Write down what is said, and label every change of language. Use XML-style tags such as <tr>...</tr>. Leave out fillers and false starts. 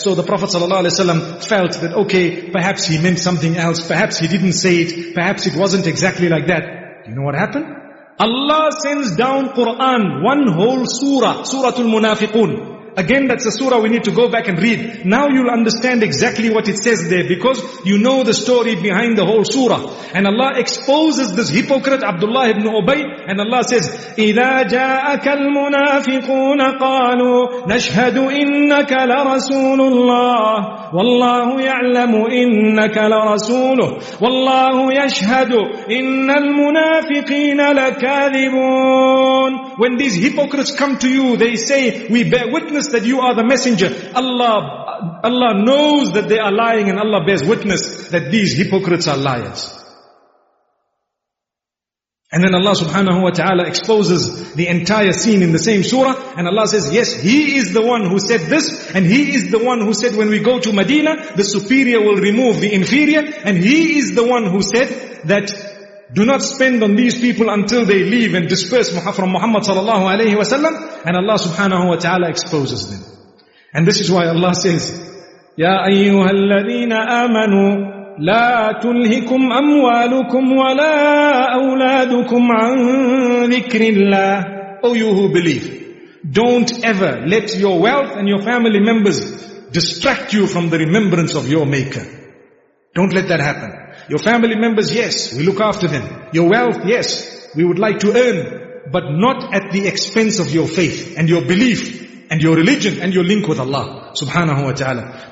<en>So the Prophet sallallahu alaihi wasallam felt that, okay, perhaps he meant something else, perhaps he didn't say it, perhaps it wasn't exactly like that. You know what happened? Allah sends down Quran, one whole surah, Suratul Munafiqun. Again, that's a surah we need to go back and read. Now you'll understand exactly what it says there, because you know the story behind the whole surah. And Allah exposes this hypocrite, Abdullah ibn Ubay, and Allah says,</en> <ar>إِذَا جَاءَكَ الْمُنَافِقُونَ قَالُوا نَشْهَدُ إِنَّكَ لَرَسُولُ اللَّهِ وَاللَّهُ يَعْلَمُ إِنَّكَ لَرَسُولُهُ وَاللَّهُ يَشْهَدُ إِنَّ الْمُنَافِقِينَ لَكَاذِبُونَ.</ar> <en>When these hypocrites come to you, they say, we bear witness that you are the messenger. Allah knows that they are lying, and Allah bears witness that these hypocrites are liars. And then Allah subhanahu wa ta'ala exposes the entire scene in the same surah, and Allah says, yes, he is the one who said this, and he is the one who said, when we go to Medina, the superior will remove the inferior, and he is the one who said that, do not spend on these people until they leave and disperse from Muhammad sallallahu alayhi wa sallam. And Allah subhanahu wa ta'ala exposes them. And this is why Allah says,</en> <ar>يَا أَيُّهَا الَّذِينَ آمَنُوا لا تلهكم أموالكم ولا أولادكم عن ذكر الله.</ar> <en>O you who believe, don't ever let your wealth and your family members distract you from the remembrance of your Maker. Don't let that happen. Your family members, yes, we look after them. Your wealth, yes, we would like to earn, but not at the expense of your faith and your belief and your religion and your link with Allah subhanahu wa ta'ala.</en>